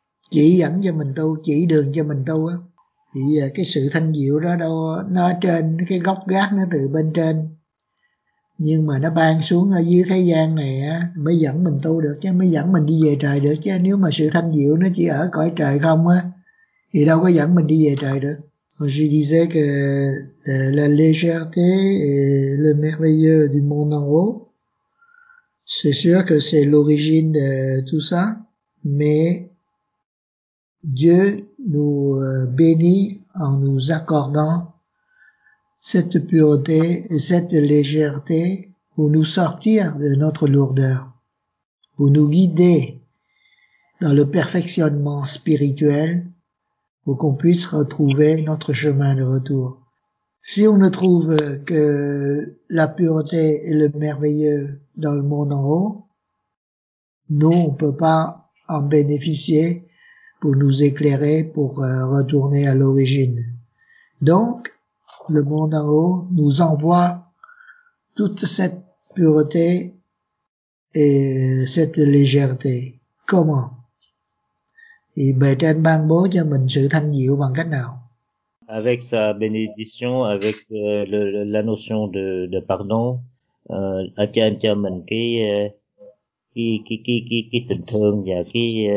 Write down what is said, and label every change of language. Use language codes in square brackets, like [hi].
[vi] chỉ dẫn cho mình tu, chỉ đường cho mình tu á. Thì cái sự thanh diệu đó đâu, nó trên cái góc gác, nó từ bên trên, nhưng mà nó ban xuống ở dưới thế gian này á, mới dẫn mình tu được chứ, mới dẫn mình đi về trời được chứ. Nếu mà sự thanh diệu nó chỉ ở cõi trời không á, thì đâu có dẫn mình đi về trời được. [fr] Je disais que la légèreté et le merveilleux du monde en haut, c'est sûr que c'est l'origine de tout ça, mais Dieu nous bénit en nous accordant cette pureté et cette légèreté pour nous sortir de notre lourdeur, pour nous guider dans le perfectionnement spirituel, pour qu'on puisse retrouver notre chemin de retour. Si on ne trouve que la pureté et le merveilleux dans le monde en haut, nous, on peut pas en bénéficier pour nous éclairer, pour retourner à l'origine. Donc, le monde en haut nous envoie toute cette pureté et cette légèreté. Comment? [vi] Thì bề trên ban bố cho mình sự thanh diệu bằng cách nào? [fr] Avec sa bénédiction, avec la notion de pardon, [vi] anh cho mình cái tình thương và cái